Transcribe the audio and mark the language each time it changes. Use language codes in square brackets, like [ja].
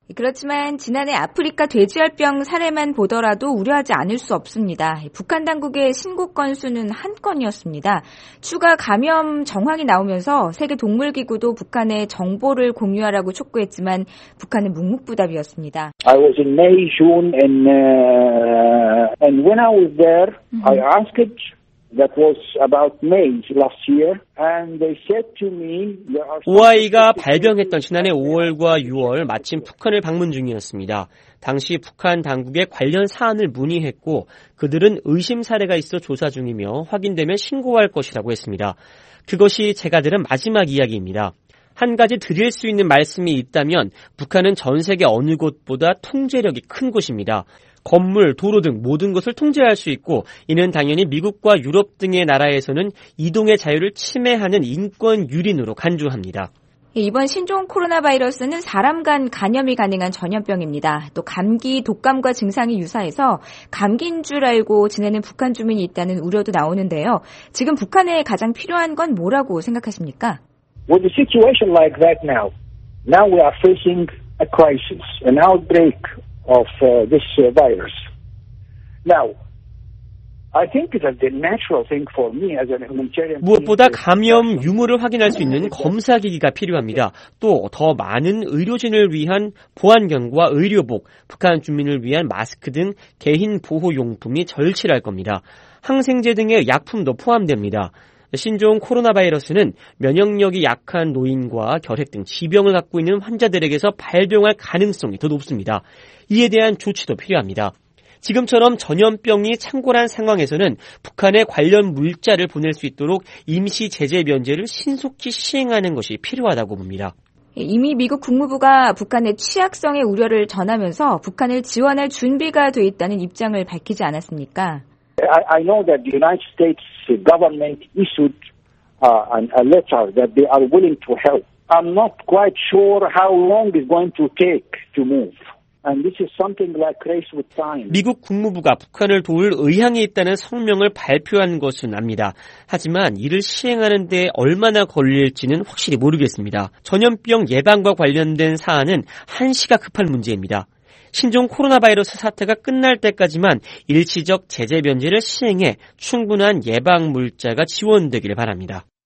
[ko] 그렇지만 지난해 아프리카 돼지열병 사례만 보더라도 우려하지 않을 수 없습니다. 북한 당국의 신고 건수는 한 건이었습니다. 추가 감염 정황이 나오면서 세계동물기구도 북한에 정보를 공유하라고 촉구했지만 북한은 묵묵부답이었습니다. [en] I was in May, June and when I was there, I asked it. That was about May last year. And they said to me, [ko] OI가 발병했던 지난해 5월과 6월 마침 북한을 방문 중이었습니다. 당시 북한 당국에 관련 사안을 문의했고 그들은 의심 사례가 있어 조사 중이며 확인되면 신고할 것이라고 했습니다. 그것이 제가 들은 마지막 이야기입니다. 한 가지 드릴 수 있는 말씀이 있다면 북한은 전 세계 어느 곳보다 통제력이 큰 곳입니다. 건물, 도로 등 모든 것을 통제할 수 있고 이는 당연히 미국과 유럽 등의 나라에서는 이동의 자유를 침해하는 인권 유린으로 간주합니다. 이번 신종 코로나 바이러스는 사람 간 감염이 가능한 전염병입니다. 또 감기, 독감과 증상이 유사해서 감기인 줄 알고 지내는 북한 주민이 있다는 우려도 나오는데요. 지금 북한에 가장 필요한 건 뭐라고 생각하십니까? [en] With the situation like that now, now we are facing a crisis, an outbreak. Of this virus. Now, I think that the natural thing for me as a humanitarian [ko] 무엇보다 감염 유무를 확인할 수 있는 검사 기기가 필요합니다. 또 더 많은 의료진을 위한 보안경과 의료복, 북한 주민을 위한 마스크 등 개인 보호 용품이 절실할 겁니다. 항생제 등의 약품도 포함됩니다. 신종 코로나 바이러스는 면역력이 약한 노인과 결핵 등 지병을 갖고 있는 환자들에게서 발병할 가능성이 더 높습니다. 이에 대한 조치도 필요합니다. 지금처럼 전염병이 창궐한 상황에서는 북한에 관련 물자를 보낼 수 있도록 임시 제재 면제를 신속히 시행하는 것이 필요하다고 봅니다. 이미 미국 국무부가 북한의 취약성에 우려를 전하면서 북한을 지원할 준비가 돼 있다는 입장을 밝히지 않았습니까? [en] I know that the United States government issued a letter that they are willing to help. I'm not quite sure how long it's going to take to move. And this is something like race with time. [ko] 미국 국무부가 북한을 도울 의향이 있다는 성명을 발표한 것은 압니다. 하지만 이를 시행하는 데 얼마나 걸릴지는 확실히 모르겠습니다. 전염병 예방과 관련된 사안은 한시가 급한 문제입니다. 신종 코로나 바이러스 사태가 끝날 때까지만 일시적 제재 면제를 시행해 충분한 예방 물자가 지원되기를 바랍니다.